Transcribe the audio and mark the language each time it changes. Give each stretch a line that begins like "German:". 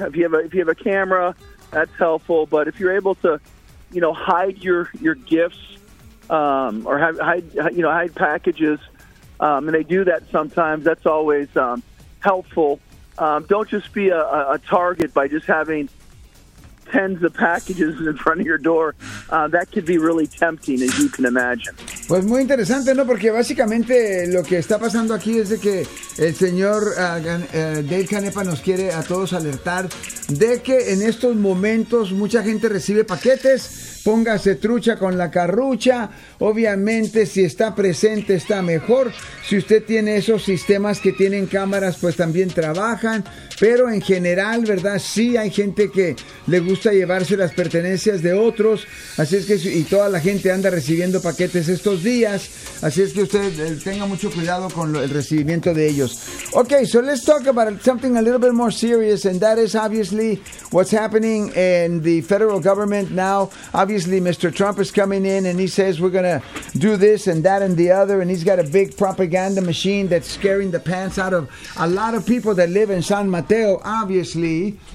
English: If you have a camera, that's helpful. But if you're able to, you know, hide your gifts or hide packages, and they do that sometimes, that's always helpful. Don't just be a target by just having tens of packages in front of your door. That could be really tempting, as you can imagine.
Spanish: Pues muy interesante, ¿no? Porque básicamente lo que está pasando aquí es de que el señor Dale Canepa nos quiere a todos alertar de que en estos momentos mucha gente recibe paquetes. Póngase trucha con la carrucha. Obviamente, si está presente, está mejor. Si usted tiene esos sistemas que tienen cámaras, pues también trabajan. Pero en general, ¿verdad? Sí hay gente que le gusta llevarse las pertenencias de otros. Así es que, y toda la gente anda recibiendo paquetes estos días. Así es que usted tenga mucho cuidado con el recibimiento de ellos.
English: Ok, so let's talk about something a little bit more serious. And that is obviously what's happening in the federal government now. Obviously, Mr. Trump is coming in and he says we're going to do this and that and the other. And he's got a big propaganda machine that's scaring the pants out of a lot of people that live in San Mateo, obviously.